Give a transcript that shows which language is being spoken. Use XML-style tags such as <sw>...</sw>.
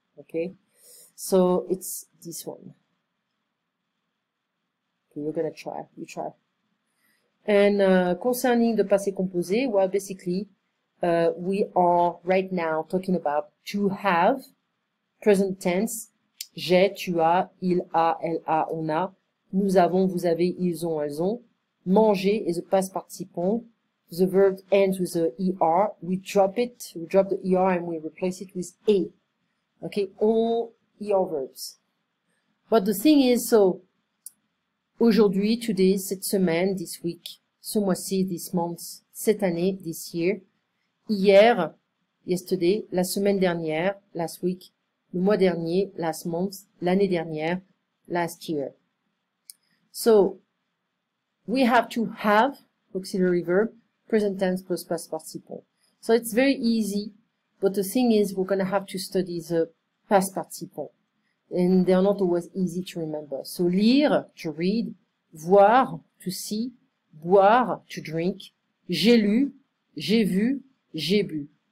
<en>Okay? So it's this one. Okay, you're gonna try. You try. And concerning the passé composé, well, basically, we are right now talking about to have present tense.</en> <fr>J'ai, tu as, il a, elle a, on a. Nous avons, vous avez, ils ont, elles ont.</fr> <en>Manger is a past participant. The verb ends with a er. We drop the er and we replace it with a. Okay, all er verbs. But the thing is, so, aujourd'hui, today, cette semaine, this week, ce mois-ci, this month, cette année, this year, hier, yesterday, la semaine dernière, last week, le mois dernier, last month, l'année dernière, last year. So, we have to have auxiliary verb, present tense plus past participle. So it's very easy, but the thing is we're going to have to study the past participle. And they're not always easy to remember. So lire, to read, voir, to see, boire, to drink,</en> <fr>j'ai lu, j'ai vu, j'ai bu.</fr>